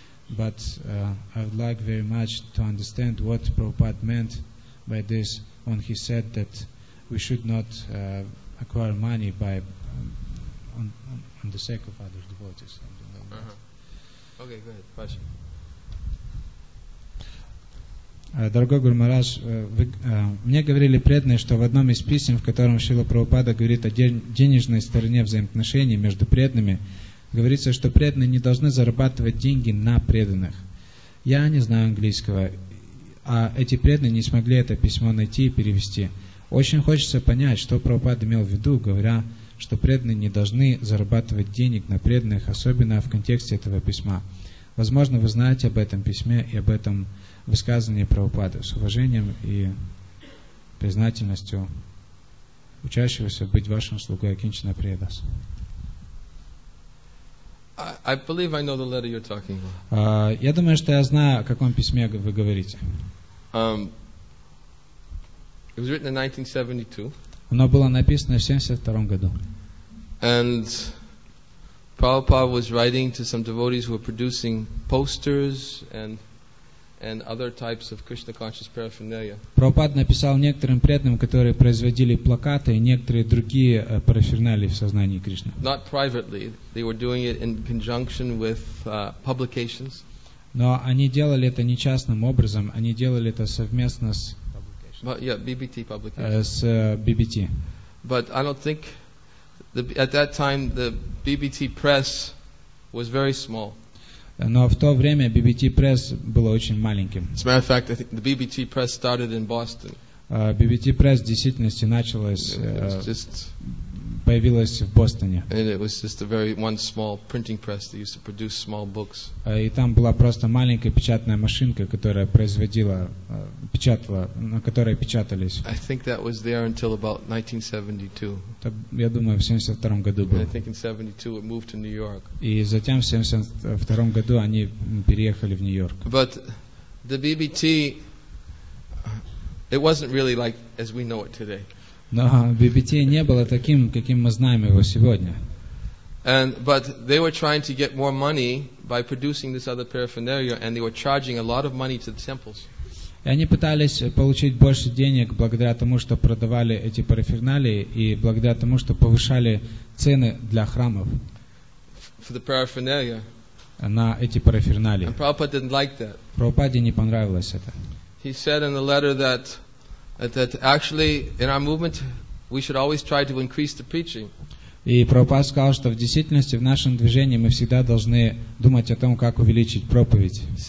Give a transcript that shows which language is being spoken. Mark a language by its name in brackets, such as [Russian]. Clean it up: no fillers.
[English] But I would like very much to understand what Prabhupada meant by this when he said that we should not acquire money by. On the sake of other devotees, something like that. Okay, go ahead. Question. [Russian] Дорогой Гуру Махарадж, мне говорили преданные, что в одном из писем, в котором Шрила Прабхупада говорит о денежной стороне взаимоотношений между преданными, говорится, что преданные не должны зарабатывать деньги на преданных. Я не знаю английского, а эти преданные не смогли это письмо найти и перевести. Очень хочется понять, что Прабхупада имел в виду, говоря, что преданные не должны зарабатывать денег на преданных, особенно в контексте этого письма. Возможно, вы знаете об этом письме и об этом высказывании Прабхупады. С уважением и признательностью учащегося быть вашим слугой Акинчана Прия Дас. [English] I believe I know the letter you're talking about. [Russian] Я думаю, что я знаю, о каком письме вы говорите. [English] It was written in 1972. [Russian] Оно было написано в 1972 году. [English] And Prabhupada was writing to some devotees who were producing posters and other types of Krishna conscious paraphernalia. [Russian] Прабхупада написал некоторым преданным, которые производили плакаты и некоторые другие параферналии в сознании Кришны. [English] Not privately, they were doing it in conjunction with publications. [Russian] Но они делали это не частным образом, они делали это совместно с BBT [English] publications. But I don't think. At that time, the BBT press was very small. [Russian] Но в то время BBT press было очень маленьким. [English] As a matter of fact, I think the BBT press started in Boston. [Russian] BBT press в действительности началась, появилась в Бостоне. [English] And it was just a very one small printing press that used to produce small books. [Russian] И там была просто маленькая печатная машинка, которая производила, печатала, на которой печатались. [English] I think that was there until about 1972. [Russian] Я думаю, в 72 году был. [English] I think in 72 it moved to New York. [Russian] И затем в 72 году они переехали в Нью-Йорк. [English] But the BBT, it wasn't really like as we know it today. [Russian] Но BBT не было таким, каким мы знаем его сегодня. [English] And, but they were trying to get more money by producing this other paraphernalia, and they were charging a lot of money to the temples. [Russian] И они пытались получить больше денег благодаря тому, что продавали эти параферналии, и благодаря тому, что повышали цены для храмов. [English] For the paraphernalia. [Russian] На эти параферналии. [English] And Prabhupada didn't like that. [Russian] Прабхупаде не понравилось это. [English] He said in the letter that. That actually, in our movement, we should always try to increase the preaching. [Russian] И Прабхупада сказал, что в действительности в нашем движении мы всегда должны думать о том, как увеличить проповедь.